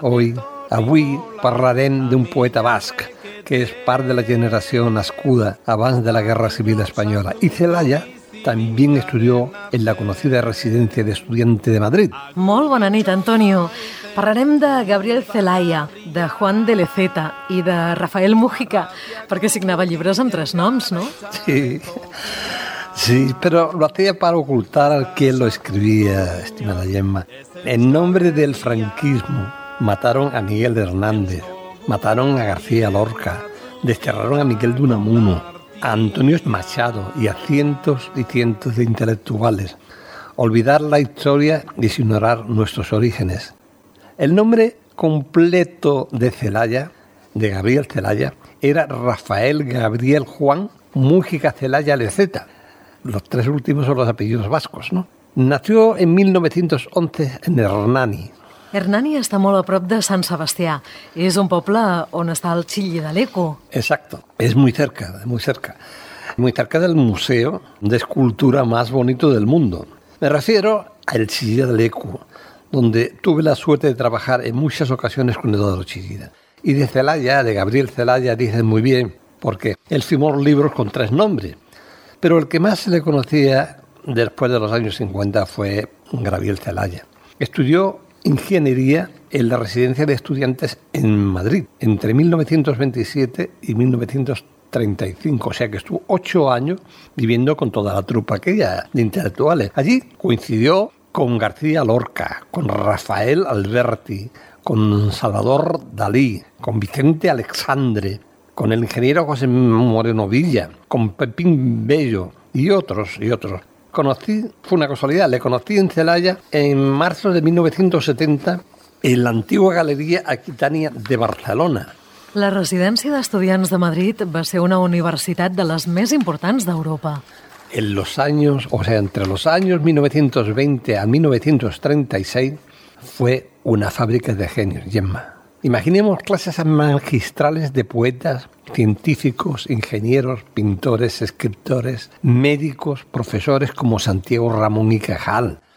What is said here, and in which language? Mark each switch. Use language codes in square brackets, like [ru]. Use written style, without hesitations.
[ca] Avui parlarem d'un poeta basc que és part de la generació nascuda abans de la Guerra Civil Espanyola. [es] I Celaya también estudió en la conocida Residencia de Estudiantes de Madrid. [ca] Molt bona nit, Antonio. Parlarem de Gabriel Celaya, de Juan de Lezeta i de Rafael Mújica, perquè signava llibres amb tres noms, no? [es] Sí, [ca] però [es] lo hacía para ocultar al que lo escribía, estimada Gemma. En nombre del franquismo mataron a Miguel Hernández, mataron a García Lorca, desterraron a Miguel de Unamuno, a Antonio Machado y a cientos y cientos de intelectuales. Olvidar la historia es ignorar nuestros orígenes. El nombre completo de Celaya, de Gabriel Celaya, era Rafael Gabriel Juan Mújica Celaya Lezeta. Los tres últimos son los apellidos vascos, ¿no? Nació en 1911 en Hernani. [ca] Hernani està molt a prop de Sant Sebastià. És un poble on està el Chilli de l'Eco. [es] Exacto. És muy cerca, muy cerca. Muy cerca del museo de escultura más bonito del mundo. Me refiero al Chilli de l'Eco, donde tuve la suerte de trabajar en muchas ocasiones con Eduardo Chillida. Y de Celaya, de Gabriel Celaya, dicen muy bien, porque él firmó libros con tres nombres. Pero el que más se le conocía después de los años 50 fue Gabriel Celaya. Estudió ingeniería en la Residencia de Estudiantes en Madrid, entre 1927 y 1935, o sea que estuvo 8 años viviendo con toda la trupa aquella de intelectuales. Allí coincidió con García Lorca, con Rafael Alberti, con Salvador Dalí, con Vicente Aleixandre, con el ingeniero José Moreno Villa, con Pepín Bello y otros, y otros. Conocí, fue una casualidad, le conocí en Celaya en marzo de 1970 en la antigua Galería Aquitania de Barcelona. [ca] La Residencia de Estudiantes de Madrid va ser una universitat de les més importants d'Europa. [es] En los años, o sea, entre los años 1920 a 1936, fue una fábrica de genios, Gemma. Imaginemos clases magistrales de poetas, científicos, ingenieros, pintores, escritores, médicos, profesores como Santiago Ramón y Cajal,